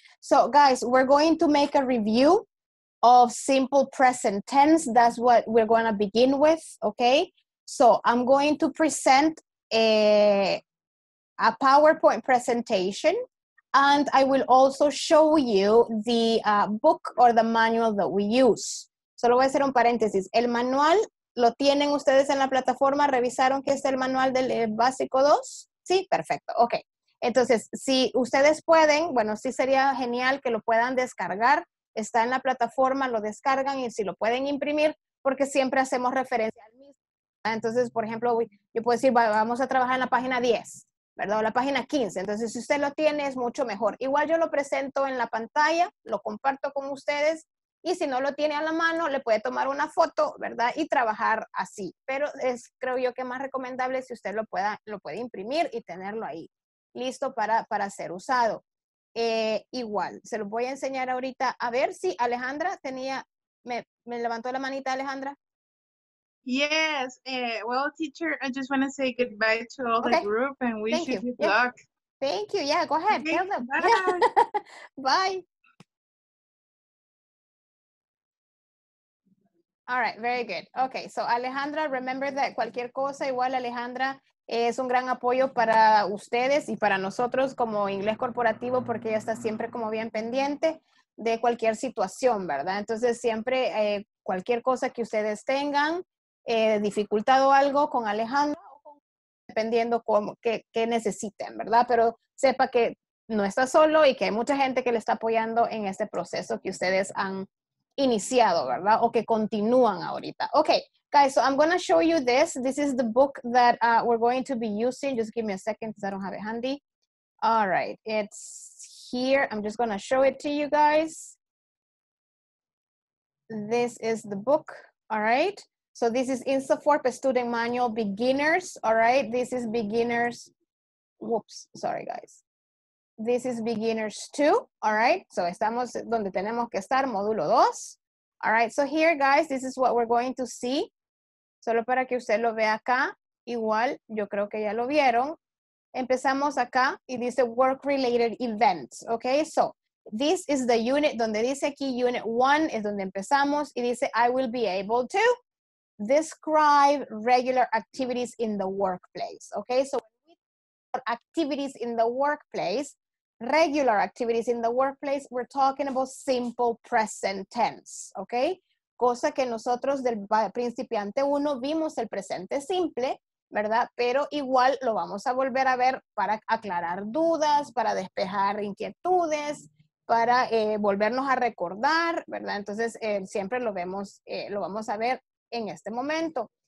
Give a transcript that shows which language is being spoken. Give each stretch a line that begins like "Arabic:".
English: So, guys, we're going to make a review of simple present tense. That's what we're going to begin with, okay? So I'm going to present a PowerPoint presentation, and I will also show you the book or the manual that we use.
Spanish: Solo voy a hacer un paréntesis. El manual lo tienen ustedes en la plataforma. ¿Revisaron que es el manual del básico 2? Sí, perfecto. Ok. Entonces, si ustedes pueden, bueno, sí sería genial que lo puedan descargar. Está en la plataforma, lo descargan y si lo pueden imprimir, porque siempre hacemos referencia al mismo. Entonces, por ejemplo, yo puedo decir, vamos a trabajar en la página 10. ¿Verdad? La página 15. Entonces, si usted lo tiene, es mucho mejor. Igual yo lo presento en la pantalla, lo comparto con ustedes y si no lo tiene a la mano, le puede tomar una foto, ¿verdad? Y trabajar así. Pero es, creo yo, que más recomendable si usted lo puede imprimir y tenerlo ahí, listo para ser usado. Igual, se lo voy a enseñar ahorita. A ver si Alejandra tenía, me levantó la manita, Alejandra.
English: Yes. Well, teacher, I just want to say goodbye to all okay. the group and wish Thank you good yeah. luck. Thank you. Yeah, go ahead. Okay, tell them. Bye. Bye. All right, very good. Okay, so Alejandra, remember that
Spanish: cualquier cosa, igual Alejandra, es un gran apoyo para ustedes y para nosotros como inglés corporativo, porque ella está siempre como bien pendiente de cualquier situación, ¿verdad? Entonces, siempre cualquier cosa que ustedes tengan, dificultad o algo con Alejandra, dependiendo cómo, qué necesiten, ¿verdad? Pero sepa que no está solo y que hay mucha gente que le está apoyando en este proceso que ustedes han iniciado, ¿verdad? O que continúan ahorita.
English: Okay, guys, so I'm going to show you this. This is the book that we're going to be using. Just give me a second because I don't have it handy. All right, it's here. I'm just going to show it to you guys. This is the book, all right? So this is Instaforp Student Manual Beginners, all right? This is Beginners, whoops, sorry guys. This is Beginners 2, all right? So
Spanish: estamos donde tenemos que estar, módulo 2.
English: All right, so here guys, this is what we're going to see.
Spanish: Solo para que usted lo vea acá, igual yo creo que ya lo vieron. Empezamos acá y dice
English: Work-Related Events,
Spanish: okay?
English: So this is the unit
Spanish: donde dice aquí Unit 1 es donde empezamos y dice
English: I will be able to describe regular activities in the workplace, okay? So activities in the workplace, regular activities in the workplace, we're talking about simple present tense, okay?
Spanish: Cosa que nosotros del principiante 1 vimos el presente simple, ¿verdad? Pero igual lo vamos a volver a ver para aclarar dudas, para despejar inquietudes, para volvernos a recordar, ¿verdad? Entonces siempre lo vemos, lo vamos a ver en este momento.